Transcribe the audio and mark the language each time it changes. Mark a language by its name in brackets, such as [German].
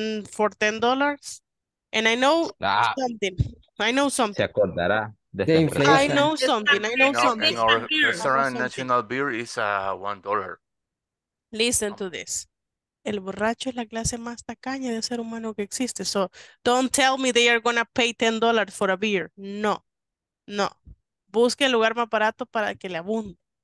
[English] For $10. And I know something. I know something. [Spanish] Se acordará. [English] I know something. In our restaurant, national beer is $1. Listen to this. [Spanish] El borracho es la clase más tacaña de ser humano que existe. [English] So don't tell me they are going to pay $10 for a beer. [Spanish] No, no. Busque el lugar más barato para que le abunde.